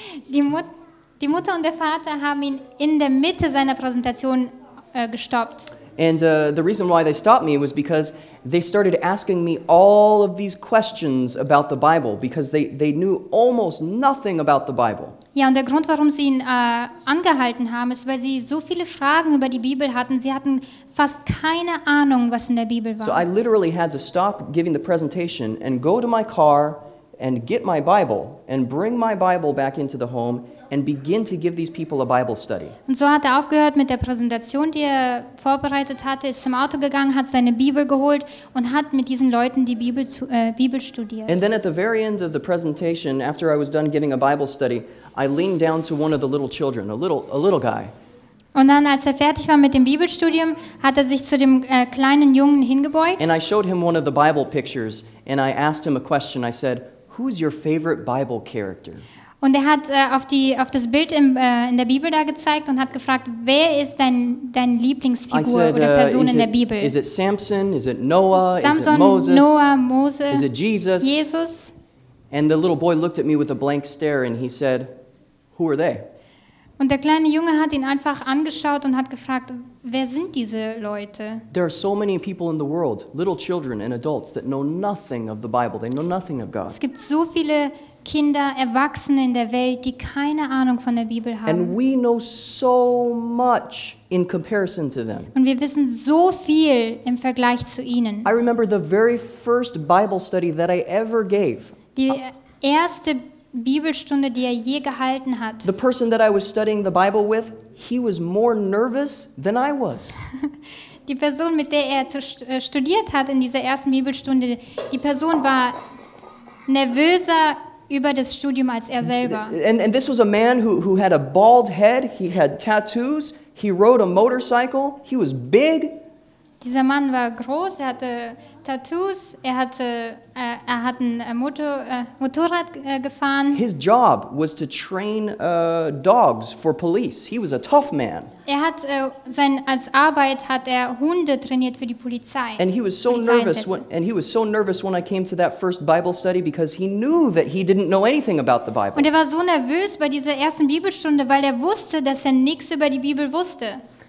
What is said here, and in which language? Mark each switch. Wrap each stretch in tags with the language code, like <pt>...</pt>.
<de>Die Mutter und der Vater haben ihn in der Mitte seiner Präsentation gestoppt.</de> <en>And the reason why they stopped me was because they started asking me all of these questions about the Bible because they knew almost nothing about the Bible.</en> <de>Ja, und der Grund, warum sie ihn angehalten haben, ist, weil sie so viele Fragen über die Bibel hatten. Sie hatten fast keine Ahnung, was in der Bibel war.</de> <en>So I literally had to stop giving the presentation and go to my car and get my Bible and bring my Bible back into the home and begin to give these people a Bible study.</en> <de>Und so hat er aufgehört mit der Präsentation, die er vorbereitet hatte, ist zum Auto gegangen, hat seine Bibel geholt und hat mit diesen Leuten die Bibel zu, Bibel studiert.</de> <en>And then at the very end of the presentation, after I was done giving a Bible study, I leaned down to one of the little children, a little guy.</en> <de>Und dann, als er fertig war mit dem Bibelstudium, hat er sich zu dem kleinen Jungen hingebeugt.</de> <en>And I showed him one of the Bible pictures and I asked him a question. I said, "Who's your favorite Bible character?"</en> <de>Und er hat auf das Bild in der Bibel da gezeigt und hat gefragt, wer ist dein Lieblingsfigur oder Person in der Bibel?</de> <en>Is it Samson? Is it Noah?</en> <de>Samson,</de> <en>is it Moses?</en> <de>Noah, Mose?</de> <en>Is it Jesus?</en> <de>Jesus?</de> <en>And the little boy looked at me with a blank stare and he said, "Who are they?"</en> <de>Und der kleine Junge hat ihn einfach angeschaut und hat gefragt, wer sind diese Leute?</de> <en>There are so many people in the world, little children and adults that know nothing of the Bible. They know nothing of God.</en> <de>Es gibt so viele Kinder, Erwachsene in der Welt, die keine Ahnung von der Bibel haben.</de> <en>And we know so much in comparison to them.</en> <de>Und wir wissen so viel im Vergleich zu ihnen.</de> <en>I remember the very first Bible study that I ever gave.</en> <de>Die erste Bibelstunde, die er je gehalten hat.</de> <en>The person that I was studying the Bible with, he was more nervous than I was.</en> <de>Die Person, mit der er studiert hat in dieser ersten Bibelstunde, die Person war nervöser über das Studium als er selber.</de> <en>And this was a man who had a bald head, he had tattoos, he rode a motorcycle, he was big.</en> <de>Dieser Mann war groß, er hatte Tattoos, er hat ein Motorrad gefahren.</de> <en>His job was to train dogs for police. He was a tough man.</en> <de>Er hat als Arbeit hat er Hunde trainiert für die Polizei.</de> <en>And he was so nervous when I came to that first Bible study because he knew that he didn't know anything about the Bible.</en> <de>Und er war so nervös bei dieser ersten Bibelstunde, weil er wusste, dass er nichts über die Bibel wusste.</de>